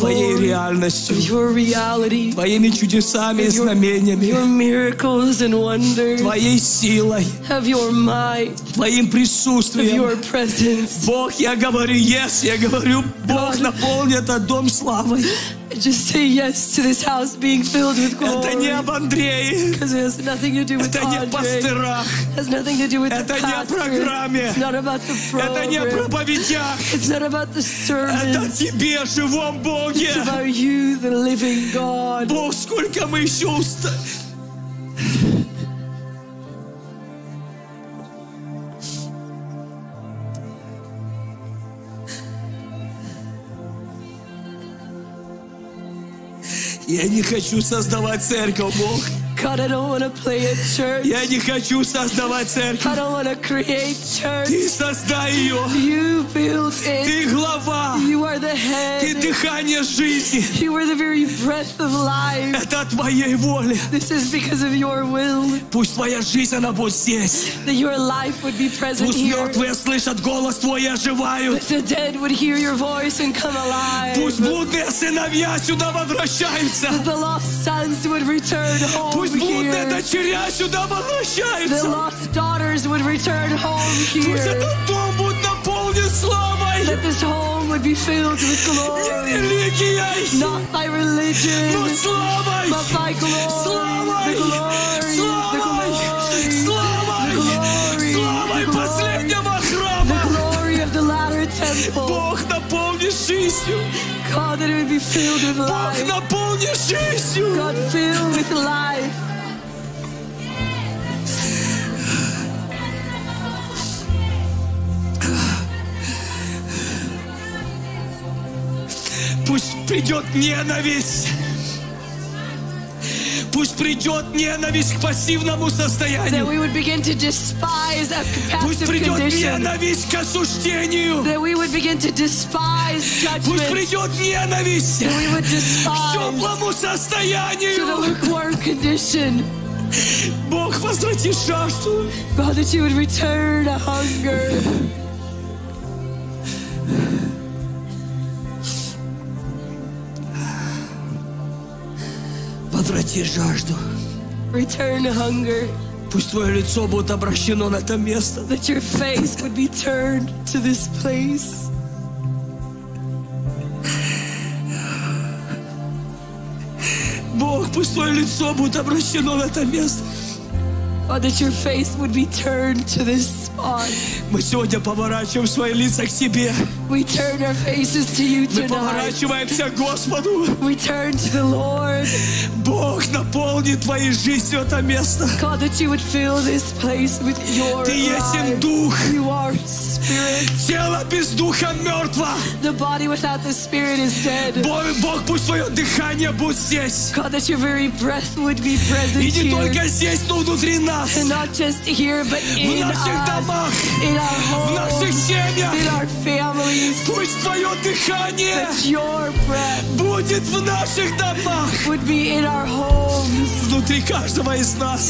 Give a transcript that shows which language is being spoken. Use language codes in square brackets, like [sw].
[ru] Твоей реальностью. [en] Of your reality. [ru] Твоими чудесами и знамениями. [en] Your miracles and wonders. [ru] Твоей силой. [en] Of your might. [ru] Твоим присутствием. [en] Of your presence. [ru] Бог, я говорю [en] yes, [ru] я говорю, Бог, наполни этот дом славой. [en] Just say yes to this house being filled with glory. [ru] Это не об Андрее. [en] Because it has nothing to do with [ru] Andrey. Это не о пастырах. [en] It has nothing to do with [ru] это [en] the pastors. [ru] Это не о программе. [en] It's not about the program. [ru] Это не о проповедях. [en] It's not about the sermons. [ru] Это тебе, живом Боге. [en] It's about you, the living God. [ru] Бог, сколько мы еще уста... Я не хочу создавать церковь, Бог. [en] God, I don't want to play a church. [ru] Я не хочу создавать церковь. [en] I don't want to create church. [ru] Ты создай ее. [en] You build it. [ru] Ты глава. [en] You are the head. [ru] Ты дыхание жизни. [en] You are the very breath of life. [ru] Это твоей воли. [en] This is because of your will. [ru] Пусть твоя жизнь, она будет здесь. [en] That your life would be present [ru] пусть [en] here. [ru] Пусть мертвые слышат голос твой и оживают. [en] That the dead would hear your voice and come alive. [ru] Пусть блудные сыновья сюда возвращаются. [en] That the lost sons would return home. [ru] Пусть блудные дочеря сюда возвращаются. [en] The lost daughters would return home here. [ru] Пусть этот дом будет наполнен славой. [en] That this home would be filled with glory. [ru] Не религией. [en] Not by religion. [ru] Но славой. [en] But by glory. [ru] Славой. [en] The glory. [ru] Славой. [en] The glory. [ru] Славой последнего храма. [en] The glory of the latter temple. [ru] Бог наполни жизнью. [en] God, that it would be filled with life. [ru] Бог, наполни жизнью. [en] God, fill with life. [ru] Пусть придет ненависть. Пусть придет ненависть к пассивному состоянию. [en] That we would begin to despise a passive condition. [ru] Пусть придет ненависть к осуждению. [en] That we would begin to despise judgment. [ru] Пусть придет ненависть. [en] That we would despise. [ru] К теплому состоянию. [en] To the lukewarm condition. [ru] Бог, возврати жажду. [en] God, that you would return a hunger. [ru] Возврати жажду. [en] Return hunger. [ru] Пусть твое лицо будет обращено на это место. [en] That your face would be turned to this place. [ru] Бог, пусть твое лицо будет обращено на это место. [en] Oh, that your face would be turned to this spot. [ru] Мы сегодня поворачиваем свои лица к Тебе. [en] We turn our faces to You tonight. [ru] Мы поворачиваемся к Господу. [en] We turn to the Lord. [ru] Бог, наполни Твоей жизнью это место. [en] God, that You would fill this place with Your [ru] Ты [en] life. [ru] Ты есть Дух. [en] You are Spirit. [ru] Тело без Духа мертво. [en] The body without the Spirit is dead. [ru] Бог, пусть Твое дыхание будет здесь. [en] God, that Your very breath would be present here. [ru] И не [en] here. [ru] Только здесь, но внутри нас. [en] And not just here, but in [ru] наших [en] us. [ru] домах, [en] in our homes, [ru] в наших семьях, [en] in our families, [ru] пусть твое дыхание, [en] that your breath, [ru] будет в наших домах, [en] would be in our homes, [ru] внутри каждого из нас,